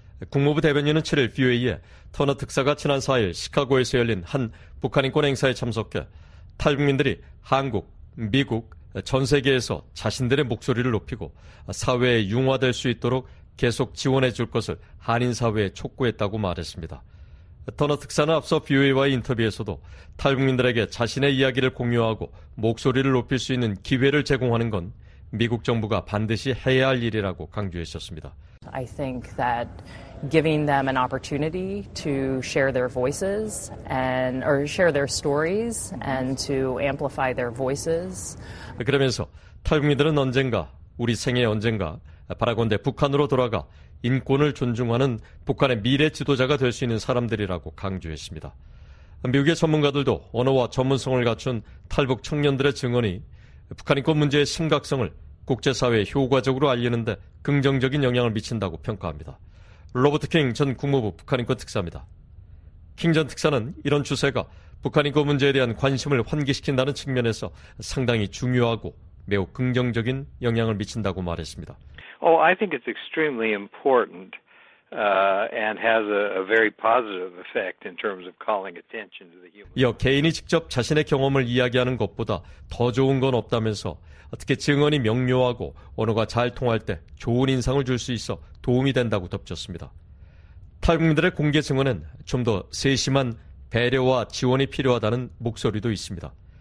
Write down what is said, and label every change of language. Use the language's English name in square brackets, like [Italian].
[Korean] 국무부 대변인은 7일 VOA에 터너 특사가 지난 4일 시카고에서 열린 한 북한인권 행사에 참석해 탈북민들이 한국, 미국, 전 세계에서 자신들의 목소리를 높이고 사회에 융화될 수 있도록 계속 지원해 줄 것을 한인사회에 촉구했다고 말했습니다. 터너 특사는 앞서 VOA와의 인터뷰에서도 탈북민들에게 자신의 이야기를 공유하고 목소리를 높일 수 있는 기회를 제공하는 건 미국 정부가 반드시 해야 할 일이라고 강조했었습니다. [English] I think that giving them an opportunity to share their voices and or share their stories and to amplify their voices. [Korean] 그러면서 탈북민들은 언젠가 우리 생애 언젠가 바라건대 북한으로 돌아가 인권을 존중하는 북한의 미래 지도자가 될 수 있는 사람들이라고 강조했습니다. 미국의 전문가들도 언어와 전문성을 갖춘 탈북 청년들의 증언이 북한인권 문제의 심각성을 국제사회에 효과적으로 알리는 데 긍정적인 영향을 미친다고 평가합니다. 로버트 킹 전 국무부 북한인권 특사입니다. 킹 전 특사는 이런 추세가 북한인권 문제에 대한 관심을 환기시킨다는 측면에서 상당히 중요하고 매우 긍정적인 영향을 미친다고 말했습니다. [English] Oh, I think it's extremely important and has a very positive effect in terms of calling attention to the human. [Korean] 이어 개인이 직접 자신의 경험을 이야기하는 것보다 더 좋은 건 없다면서 특히 증언이 명료하고 언어가 잘 통할 때 좋은 인상을 줄 수 있어 도움이 된다고 덧붙였습니다. 탈북민들의 공개 증언은 좀 더 세심한 배려와 지원이 필요하다는 목소리도 있습니다.